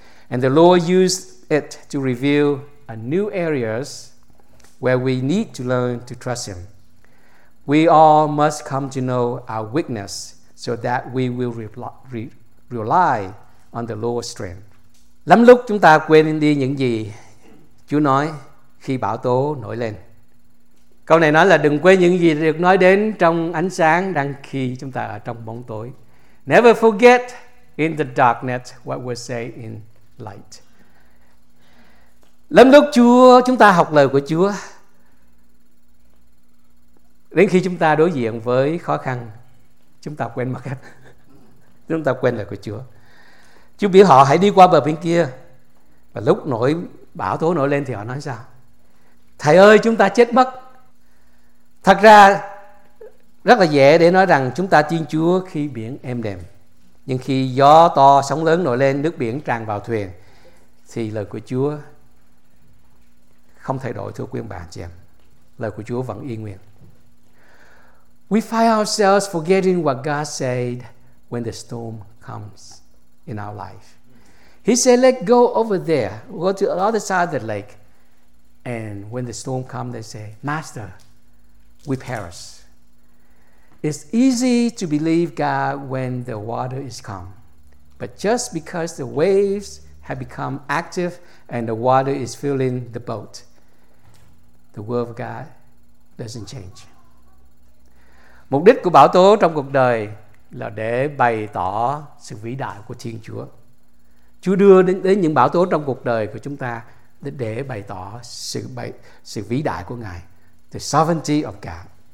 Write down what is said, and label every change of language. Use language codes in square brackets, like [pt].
[en] And the Lord used it to reveal a new areas where we need to learn to trust Him. We all must come to know our weakness so that we will rely on the Lord's strength. [vi] Lắm lúc chúng ta quên đi những gì Chúa nói khi bão tố nổi lên. Câu này nói là đừng quên những gì được nói đến trong ánh sáng đang khi chúng ta ở trong bóng tối. [en] Never forget in the darkness what was said in light. [vi] Lắm lúc chúng ta học lời của Chúa, đến khi chúng ta đối diện với khó khăn, chúng ta quên mất hết. Chúng ta quên lời của Chúa. Chúa biểu họ hãy đi qua bờ bên kia. Và lúc nổi bão tố nổi lên thì họ nói sao? Thầy ơi, chúng ta chết mất. Thật ra rất là dễ để nói rằng chúng ta tin Chúa khi biển êm đềm. Nhưng khi gió to, sóng lớn nổi lên, nước biển tràn vào thuyền, thì lời của Chúa không thay đổi, thưa quý ông bà chị em. Lời của Chúa vẫn y nguyên. [en] We find ourselves forgetting what God said when the storm comes in our life. He said, let's go over there, go to the other side of the lake. And when the storm comes, they say, Master, we perish. It's easy to believe God when the water is calm. But just because the waves have become active and the water is filling the boat, the word of God doesn't change. [vi] Mục đích của bão tố trong cuộc đời là để bày tỏ sự vĩ đại của Thiên Chúa. Chúa đưa đến những bão tố trong cuộc đời của chúng ta để bày tỏ sự vĩ đại của Ngài, [en] the sovereignty of God.